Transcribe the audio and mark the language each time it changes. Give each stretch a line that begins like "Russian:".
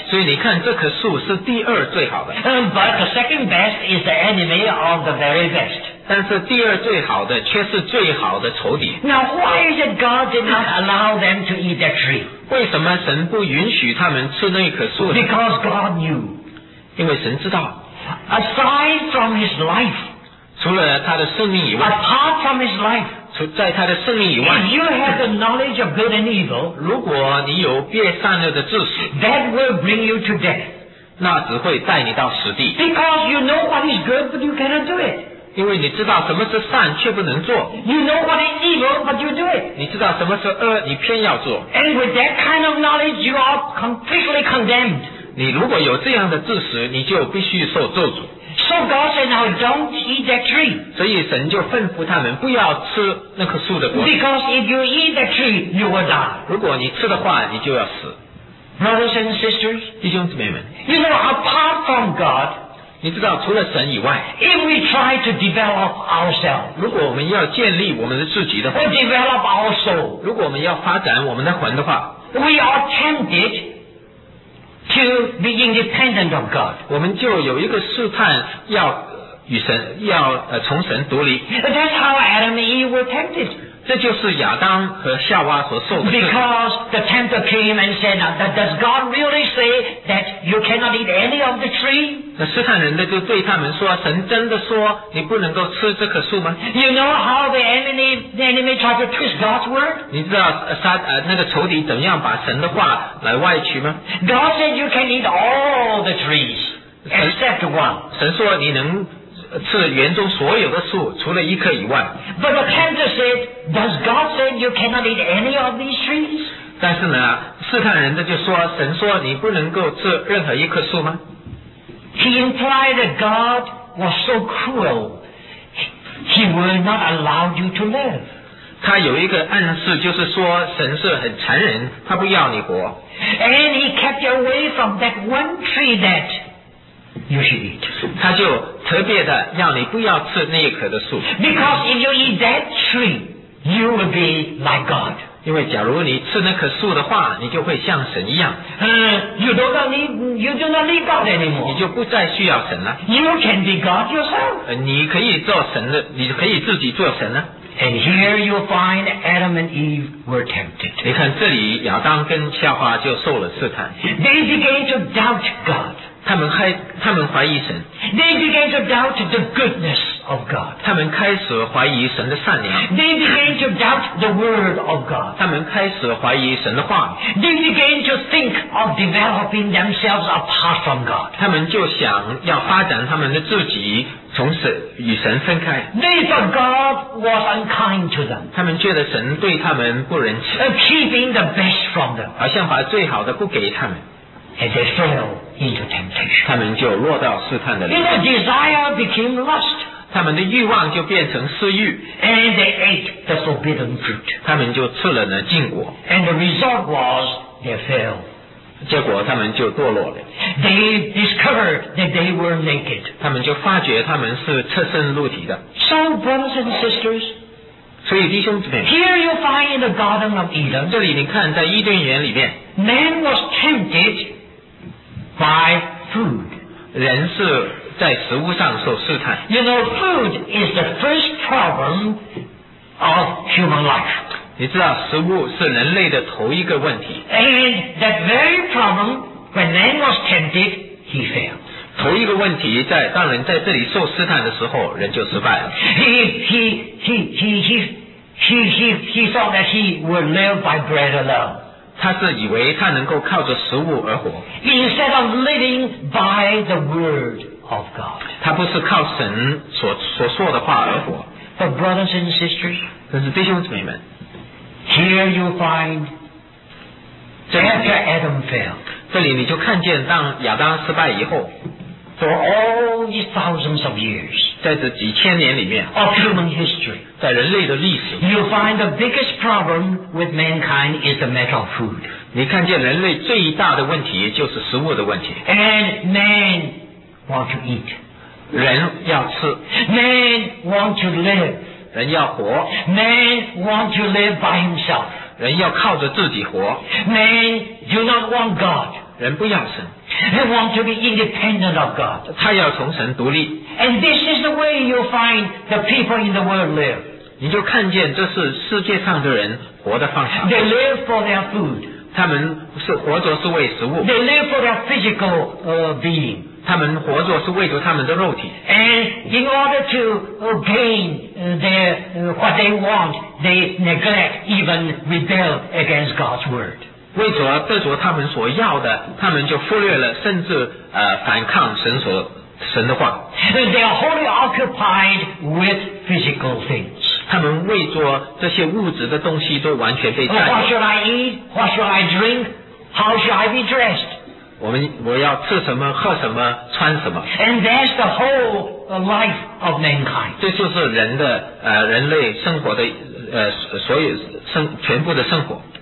Chinese: 所以你看，这棵树是第二最好的。
English: But the second best is the enemy of the very best.
Chinese: 但是第二最好的却是最好的仇敌。
English: Now why is it God did not allow them to eat that tree?
Chinese: 为什么神不允许他们吃那棵树？
English: Because God knew.
Chinese: 因为神知道。
English: Aside from his life.
Chinese: 除了他的生命以外。
English: Apart from his life.
Chinese: 在他的生命以外。
English: If you have the knowledge of good and evil.
Chinese: 如果你有辨善恶的知识。
English: That will bring you to death.
Chinese: 那只会带你到死地。
English: Because you know what is good but you cannot do it.
Chinese: 因为你知道什么是善却不能做。
English: You know what is evil, but you do it.
Chinese: 你知道什么是恶你偏要做。
English: And with that kind of knowledge, you are completely condemned.
Chinese: 你如果有这样的知识你就必须受咒诅。
English: So God said, now don't eat that tree.
Chinese: 所以神就吩咐他们不要吃那棵树的果子。
English: Because if you eat that tree, you will die.
Chinese: 如果你吃的话你就要死。
English: Brothers and sisters,
Chinese: 弟兄姊妹们。
English: You know, apart from God,
Chinese: 你知道除了神以外
English: If we try to develop ourselves,
Chinese: 如果我们要建立我们的自己的魂
English: or develop our soul,
Chinese: 如果我们要发展我们的魂的话
English: we are tempted to be independent of God.
Chinese: 我们就有一个试探要与神要从神独离
English: That's how Adam and Eve were tempted.
Chinese: 这就是亚当和夏娃所受的
English: Because the tempter came and said, does God really say that you cannot eat any of the tree?
Chinese: 那试探人的就对他们说神真的说你不能够吃这棵树吗
English: You know how the enemy tried to twist God's word?
Chinese: 你知道那个仇敌怎样把神的话来歪曲吗
English: God said you can eat all the trees except one.
Chinese: 神说你能吃园中所有的树除了一棵以外
English: But the tempter said, does God say you cannot eat any of these trees?
Chinese: 但是呢试探人的就说神说你不能够吃任何一棵树吗
English: He implied that God was so cruel, He will not allow you to live.
Chinese: 他有一个暗示，就是说神是很残忍，他不要你活。
English: And he kept you away from that one tree that you should eat.
Chinese: 他就特别的要你不要吃那一棵的树。
English: Because if you eat that tree, you will be like God.
Chinese: 因为假如你吃那棵树的话，你就会像神一样。
English: You do not need God anymore.
Chinese: 你就不再需要神了。
English: You can be God yourself.
Chinese: 你可以做神的，你可以自己做神呢。
English: And here you find Adam and Eve were tempted.
Chinese: 你看这里亚当跟夏娃就受了试探。
English: They began to doubt God.
Chinese: 他们怀疑神。
English: They began to doubt the goodness of God.
Chinese: 他们开始怀疑神的善良。
English: They began to doubt the word of God.
Chinese: 他们开始怀疑神的话。
English: They began to think of developing themselves apart from God.
Chinese: 他们就想要发展他们的自己。从神与神分开。
English: They thought God was unkind to them.
Chinese: 他们觉得神对他们不仁慈。
English: Keeping the best from them.
Chinese: 好像把最好的不给他们。
English: And they fell into temptation.
Chinese: 他们就落到试探的里面。
English: Their desire became lust.
Chinese: 他们的欲望就变成私欲。
English: And they ate the forbidden fruit.
Chinese: 他们就吃了那禁果。
English: And the result was they fell.
Chinese: 结果他们就堕落了。
English: They discovered that they were naked.
Chinese: 他们就发觉他们是赤身露体的。
English: So brothers and sisters,
Chinese: 所以弟兄姊妹，
English: here you find in the Garden of Eden.
Chinese: 这里你看在伊甸园里面，
English: man was tempted by food.
Chinese: 人是在食物上受试探。
English: You know, food is the first problem of human life.
Chinese: 你知道食物是人类的头一个问题。
English: And that very problem, when man was tempted, he failed.
Chinese: 头一个问题在当人在这里受试探的时候，人就失败了。
English: He thought that he would live by bread alone.
Chinese: 他是以为他能够靠着食物而活。
English: Instead of living by the word of God.
Chinese: 他不是靠神所说的话而活。
English: But brothers and sisters,
Chinese: 但是弟兄姊妹们。
English: Here you find after Adam fell.
Chinese: 这里你就看见当亚当失败以后
English: for all these thousands of years,
Chinese: 在这几千年里面
English: of human history,
Chinese: 在人类的历史
English: you find the biggest problem with mankind is the matter of food.
Chinese: 你看见人类最大的问题就是食物的问题
English: and man want to eat.
Chinese: 人要吃
English: man want to live.
Chinese: 人要活
English: Man want to live by himself
Chinese: 人要靠着自己活
English: Man do not want God
Chinese: 人不要神
English: He want to be independent of God
Chinese: 他要从神独立
English: And this is the way you find the people in the world live
Chinese: 你就看见这是世界上的人活的方向
English: They live for their food
Chinese: 他们是活着是为食物
English: They live for their physical being
Chinese: 他们活着是为着他们的肉体。
English: And in order to gain their what they want, they neglect even rebel against God's word.
Chinese: 为着得着他们所要的，他们就忽略了，甚至反抗神的话。
English: They are wholly occupied with physical things.
Chinese: 他们为着这些物质的东西都完全被占领。
English: What should I eat? What should I drink? How should I be dressed?
Chinese: 我要吃什么喝什么穿什么
English: And that's the whole life of mankind
Chinese: 这就是人的人类生活的所有全部的生活